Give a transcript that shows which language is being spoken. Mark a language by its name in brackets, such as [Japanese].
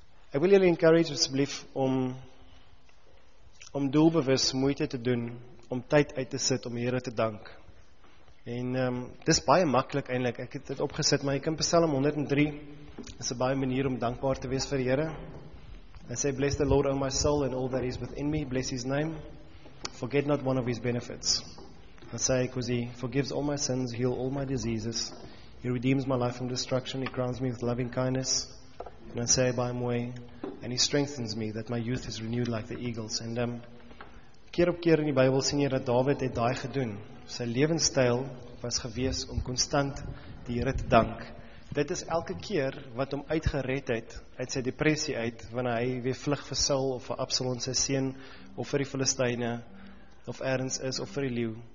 [Afrikaans] Ek wil julle encourage asseblief om doelbewus moeite te doen, om tyd uit te sit, om die Here te dank. En dis baie maklik eintlik. Ek het dit opgesit, maar jy kan Psalm 103, is 'n baie manier om dankbaar te wees vir die Here. Hy sê, [English] bless the Lord, O my soul, and all that is within me, bless his name. Forget not one of his benefits. [Afrikaans] Hy sê, [English] because he forgives all my sins, heal all my diseases, he redeems my life from destruction, he crowns me with loving kindness, and I say, by my way, and he strengthens me, that my youth is renewed like the eagles. [Afrikaans] And keer op keer in die Bybel sien jy dat David het daai gedoen. Sy lewenstyl was gewees om konstant die Here te dank. Dit is elke keer wat hom uitgered het uit sy depressie uit, wanneer hy weer vlug vir Saul of vir Absalom sy seun of vir die Filistyne of ergens is of vir die leeu.